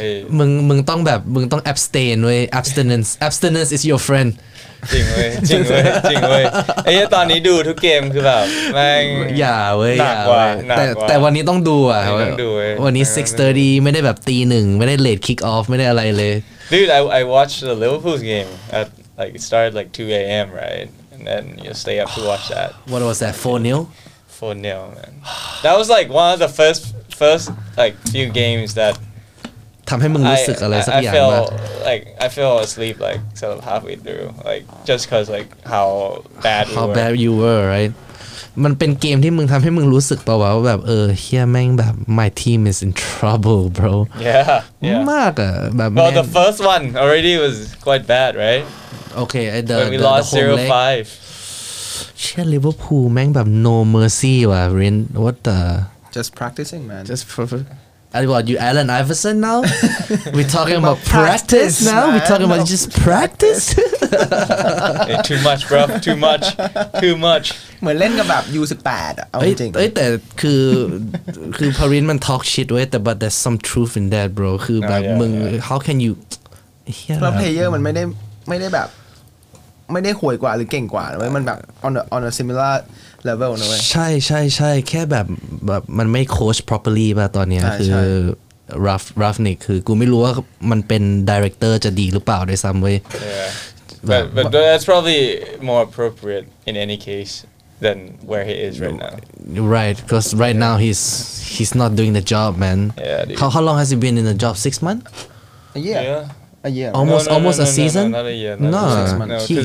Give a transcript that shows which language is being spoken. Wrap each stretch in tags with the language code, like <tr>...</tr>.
<th>ทีมบอลมันเปลี่ยนไม่ได้ป่าววะเออไม่มันเปลี่ยนไม่ได้แต่ว่าตอนนี้แฟนแมนยูอาจจะต้องเปลี่ยนแล้วแหละเฮ้ยไปเหี้ยแล้วแต่กูเข้าใจนะก็คือกูตอนที่อาร์เซนอลห่วยอ่ะกูเลิกดูไปเลยเว้ยมึงต้องแบบมึงต้อง abstain เว้ย abstinence</th> <en>abstinence is your friend</en> <th>จริงเว้ยไอ้ตอนนี้ดูทุกเกมคือแบบแม่งอย่าเว้ยแต่วันนี้ต้องดูอ่ะวันนี้ 6:30 ไม่ได้แบบตีหนึ่ง ไม่ได้late kick off ไม่ได้อะไรเลย</th> <en>Dude I watched the Liverpool's game at like it started like 2 a.m. right and then you stay up to watch that What was that 4-0 4-0 man That was like one of the first like few games that I feel asleep like sort of halfway through like just cause like how bad you were right</en> <th>มันเป็นเกมที่มึงทำให้มึงรู้สึกตัวว่าแบบเออเฮียแม่งแบบ</th> <en>my team is in trouble bro yeah</en> <th>มากอ่ะแบบ</th> <en>well the first one already was quite bad right okay the, when we the, lost the whole 0-5</en> <th>เชี่ย Liverpool แม่งแบบ</th> <en>no mercy</en> <th>ว่ะเรน what the</th> <en>just practicing man just perfect And what, you Allen Iverson now? We're talking about practice now? Man. We're talking about just practice? Hey, too much, bro. Too much.</en> <th>เหมือนเล่นกับแบบ U18 อ่ะเอาจริง เอ้ยแต่คือพารินมัน</th> <en>talk shit เว้ยแต่ but there's some truth in that, bro.</en> <th>คือแบบมึง</th> <en>how can you</en> <th>เพราะ player มันไม่ได้แบบไม่ได้ห่วยกว่าหรือเก่งกว่านะเว้ยมันแบบ</th> <en>on a similar level</en> <th>นะเว้ย ใช่แค่แบบมันไม่โค้ช properly ป่ะตอนเนี้ยคือ rough นี่คือกูไม่รู้ว่ามันเป็น director จะดีหรือเปล่าด้วยซ้ำเว้ย</th> <en>but that's probably more appropriate in any case than where he is right now right because right now he's not doing the job man yeah dude. how long has he been in the job 6 months A year. Almost a season? No, not a year. 6 months.</en>